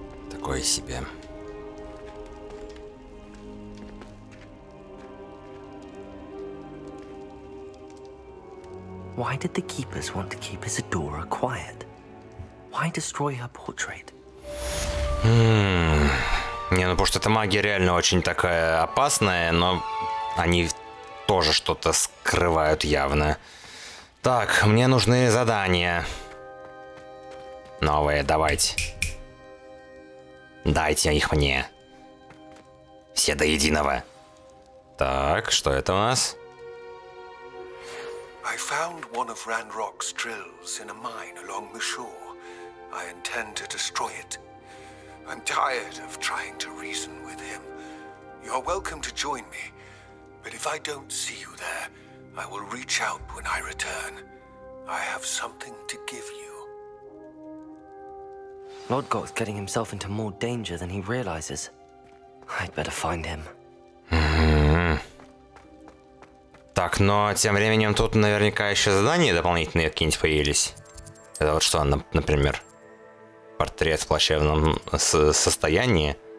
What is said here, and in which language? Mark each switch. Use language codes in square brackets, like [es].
[ru] Такое себе. [en] Why did the Keepers want to keep Isadora quiet? Why destroy her portrait? [ru] Не, ну потому что эта магия реально очень такая опасная, но они тоже что-то скрывают явно. Так, мне нужны задания. Новые, давайте. Дайте их мне. Все до единого. Так, что это у нас? [en] I found one of Ranrock's drills in a mine along the shore. I intend to destroy it. I'm tired of trying to reason with him. You're welcome to join me, but if I don't see you there, I will reach out when I return. I have something to give you. Lodgok's getting himself into more danger than he realizes. I'd better find him. [ru] Так, но тем временем тут наверняка еще задания дополнительные какие-нибудь появились. Это вот что, например, портрет в плачевном состоянии.